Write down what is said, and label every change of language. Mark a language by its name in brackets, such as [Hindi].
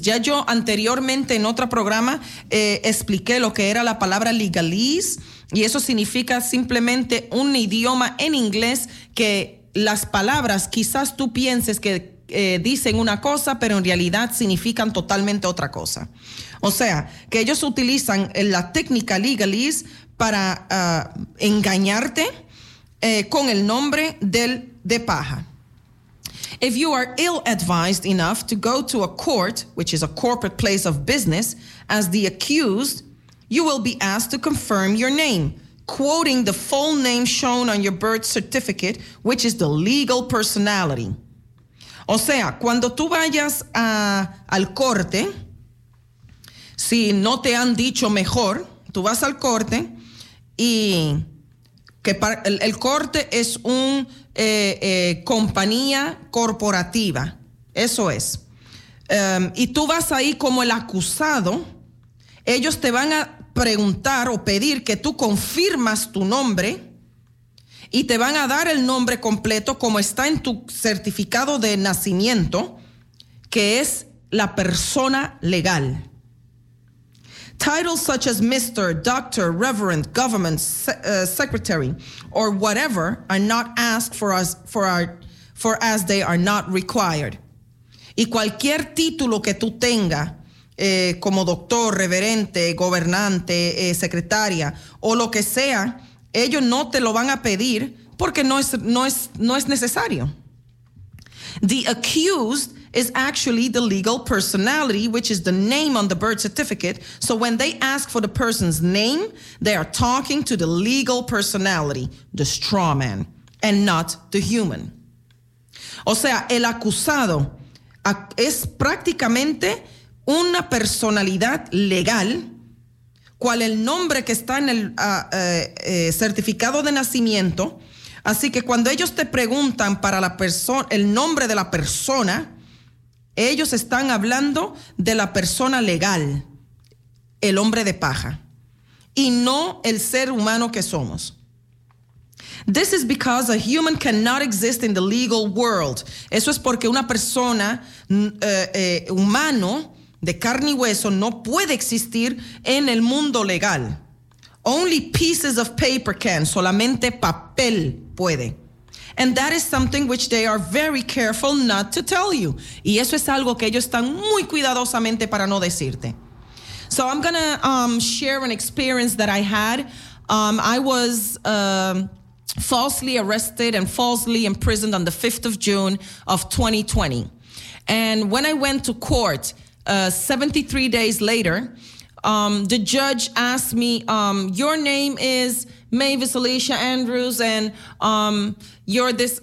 [Spanish] Ya yo anteriormente en otro programa expliqué lo que era la palabra legalese, y eso significa simplemente un idioma en inglés que las palabras quizás tú pienses que dicen una cosa, pero en realidad significan totalmente otra cosa. O sea, que ellos utilizan la técnica legalese para engañarte con el nombre del de paja. [English] If you are ill-advised enough to go to a court, which is a corporate place of business, as the accused, you will be asked to confirm your name, quoting the full name shown on your birth certificate, which is the legal personality. [Spanish] O sea, cuando tú vayas al corte, si no te han dicho mejor, tú vas al corte y que el corte es un compañía corporativa, eso es. Y tú vas ahí como el acusado, ellos te van a preguntar o pedir que tú confirmas tu nombre y te van a dar el nombre completo como está en tu certificado de nacimiento, que es la persona legal. [English] Titles such as Mr., Dr., Reverend, Government, Secretary, or whatever are not asked for us for as they are not required. [Spanish] Y cualquier título que tú tengas, como doctor, reverente, gobernante, secretaria, o lo que sea, ellos no te lo van a pedir porque no es necesario. [English] The accused is actually the legal personality, which is the name on the birth certificate. So when they ask for the person's name, they are talking to the legal personality, the straw man, and not the human. [Spanish] O sea, el acusado es prácticamente una personalidad legal, cual el nombre que está en el certificado de nacimiento. Así que cuando ellos te preguntan para la persona, el nombre de la persona, ellos están hablando de la persona legal, el hombre de paja, y no el ser humano que somos. [English] This is because a human cannot exist in the legal world. [Spanish] Eso es porque una persona humano de carne y hueso no puede existir en el mundo legal. [English] Only pieces of paper can, [Spanish] solamente papel puede. [English] And that is something which they are very careful not to tell you. [Spanish] Y eso es algo que ellos están muy cuidadosamente para no decirte. [English] So I'm going to share an experience that I had. I was falsely arrested and falsely imprisoned on the 5th of June of 2020. And when I went to court 73 days later, the judge asked me, your name is Mavis Alicia Andrews, and you're this.